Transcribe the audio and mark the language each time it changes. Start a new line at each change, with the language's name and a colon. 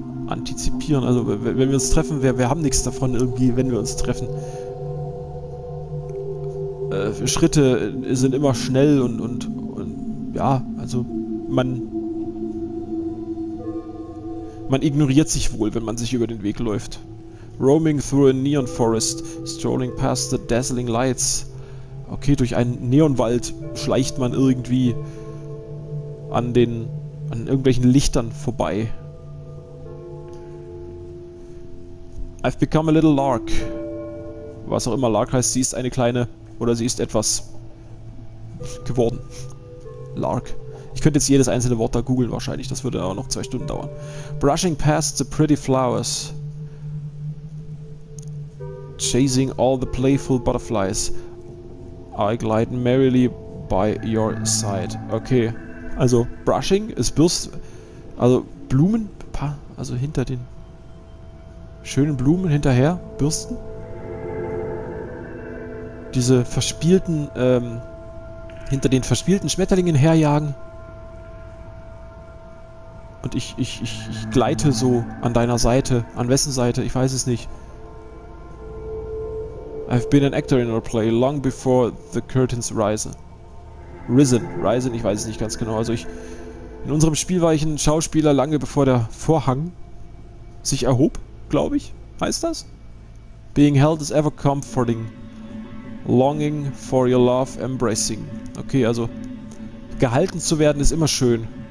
German: Antizipieren, also wenn wir uns treffen, wir haben nichts davon irgendwie, wenn wir uns treffen. Schritte sind immer schnell und ja, also man ignoriert sich wohl, wenn man sich über den Weg läuft.
English: Roaming through a neon forest, strolling past the dazzling lights.
German: Okay, durch einen Neonwald schleicht man irgendwie an irgendwelchen Lichtern vorbei.
English: I've become a little lark.
German: Was auch immer Lark heißt, sie ist eine kleine, oder sie ist etwas geworden. Lark. Ich könnte jetzt jedes einzelne Wort da googeln wahrscheinlich, das würde aber noch 2 Stunden dauern.
English: Brushing past the pretty flowers. Chasing all the playful butterflies. I glide merrily by your side.
German: Okay, also brushing ist Bürst, also Blumen, also hinter den schönen Blumen hinterher bürsten. Diese verspielten, hinter den verspielten Schmetterlingen herjagen. Und ich gleite so an deiner Seite, an wessen Seite, ich weiß es nicht.
English: I've been an actor in our play long before the curtains rise.
German: Risen, ich weiß es nicht ganz genau. Also in unserem Spiel war ich ein Schauspieler lange bevor der Vorhang sich erhob, glaube ich. Heißt das?
English: Being held is ever comforting. Longing for your love embracing.
German: Okay, also gehalten zu werden ist immer schön.